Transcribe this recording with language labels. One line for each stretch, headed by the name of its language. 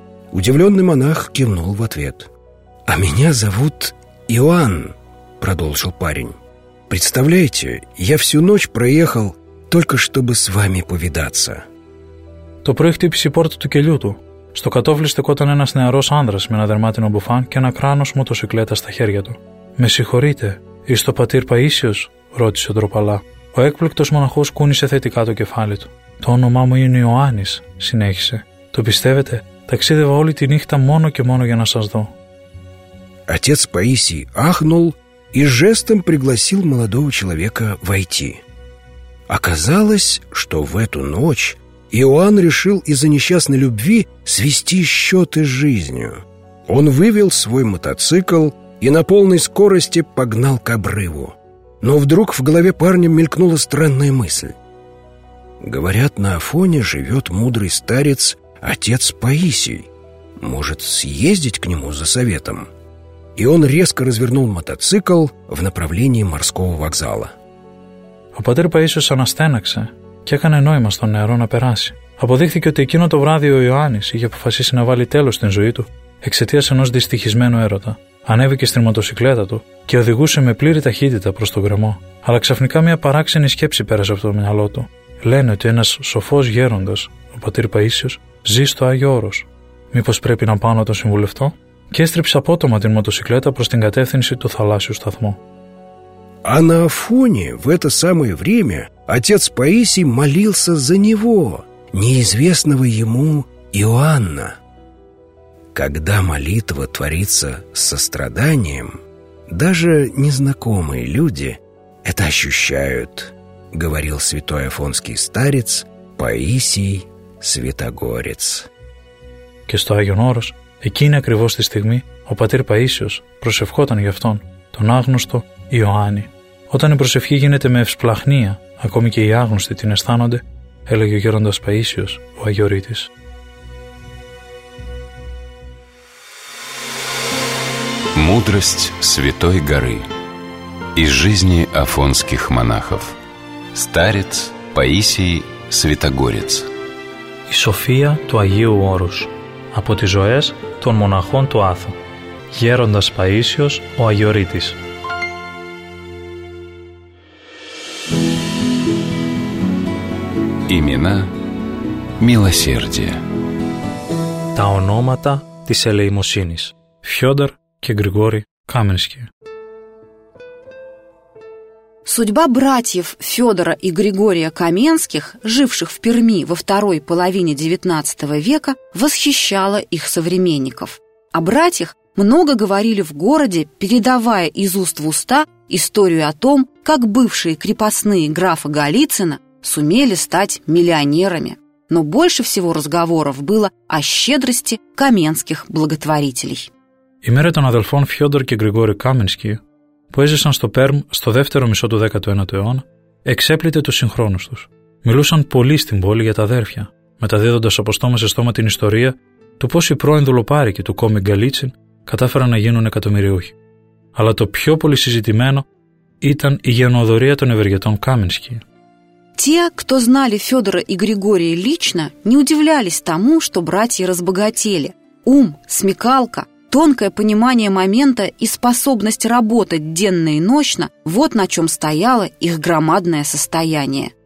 Russian: Удивленный монах кивнул в ответ. «А меня зовут Иоанн», — продолжил парень. «Представляете, я всю ночь проехал, только чтобы с вами повидаться».
Greek: «То проехтипси порт ту келюту». Στο κατόφλι στεκόταν ένας νεαρός άνδρας με ένα δερμάτινο μπουφάν και ένα κράνος μοτοσυκλέτα στα χέρια του. «Με συγχωρείτε, είστε ο πατήρ Παΐσιος?» ρώτησε ντροπαλά. Ο έκπληκτος μοναχός κούνησε θετικά το κεφάλι του. «Το όνομά μου είναι Ιωάννης», συνέχισε. «Το πιστεύετε? Ταξίδευα όλη τη νύχτα μόνο και μόνο για να σας δω».
Russian: Отец Паисий ахнул и жестом пригласил молодого человека войти. Оказалось, что в эту ночь Иоанн решил из-за несчастной любви свести счеты с жизнью. Он вывел свой мотоцикл и на полной скорости погнал к обрыву. Но вдруг в голове парня мелькнула странная мысль. «Говорят, на Афоне живет мудрый старец, отец Паисий. Может, съездить к нему за советом?» И он резко развернул мотоцикл в направлении морского вокзала.
Greek: «А патер Паисиус анастенакса?» Και έκανε νόημα στον νεαρό να περάσει. Αποδείχθηκε ότι εκείνο το βράδυ ο Ιωάννης είχε αποφασίσει να βάλει τέλος στην ζωή του εξαιτίας ενός δυστυχισμένου έρωτα. Ανέβηκε στην μοτοσυκλέτα του και οδηγούσε με πλήρη ταχύτητα προς τον γκρεμό. Αλλά ξαφνικά μια παράξενη σκέψη πέρασε από το μυαλό του. Λένε ότι ένας σοφός γέροντας, ο πατήρ Παΐσιος, ζει στο Άγιο Όρος. Μήπως πρέπει να πάω να τον συμβουλευτώ? Και έστριψε απότομα την μοτοσυκλέτα προς την κατεύθυνση του θαλάσσιου σταθμού.
Russian: А на Афоне в это самое время отец Паисий молился за него, неизвестного ему Иоанна. Когда молитва творится состраданием, даже незнакомые люди это ощущают, говорил святой афонский старец Паисий Святогорец.
Greek: Και στο Άγιον Όρος, εκείνη ακριβώς τη στιγμή, ο πατήρ Παΐσιος προσευχόταν για αυτόν, τον άγνωστο Ιωάννη. Όταν η προσευχή γίνεται με ευσπλαχνία, ακόμη και οι άγνωστοι την αισθάνονται, έλεγε ο γέροντας Παΐσιος, ο Αγιορείτης.
Russian: Мудрость Святой Горы из жизни афонских монахов. Старец Паисий Святогорец.
Greek: Η Σοφία του Αγίου Όρους από τις ζωές των μοναχών του Άθου. Γέροντας Παΐσιος, ο Αγιορείτης.
Russian: Имена милосердия.
Greek: Τα ονόματα της ελεημοσύνης. Фёдор και Γρηγόρη Κάμενσκι.
Russian: Судьба братьев Федора и Григория Каменских, живших в Перми во второй половине XIX века, восхищала их современников. О братьях много говорили в городе, передавая из уст в уста историю о том, как бывшие крепостные графа Голицына сумели стать миллионерами. Но больше всего разговоров было о щедрости каменских благотворителей.
Greek: Η μέρα των αδελφών Φιόντορ και Γρηγόρη Κάμενσκι, που έζησαν στο Πέρμ στο δεύτερο μισό του 19ου αιώνα, εξέπληται τους συγχρόνους τους. Μιλούσαν πολύ στην πόλη για τα αδέρφια, μεταδίδοντας από στόμα σε στόμα την ιστορία του πώς οι πρώην δουλοπάρικοι του κόμι Γκαλίτσιν κατάφεραν να γίνουν εκατομμυριούχοι. Αλλά το πιο πολύ συζητημένο ήταν η γενναιοδωρία των ευεργετών Κάμενσκι.
Russian: Те, кто знали Фёдора и Григория лично, не удивлялись тому, что братья разбогатели. Ум, смекалка, тонкое понимание момента и способность работать денно и нощно – вот на чем стояло их громадное состояние.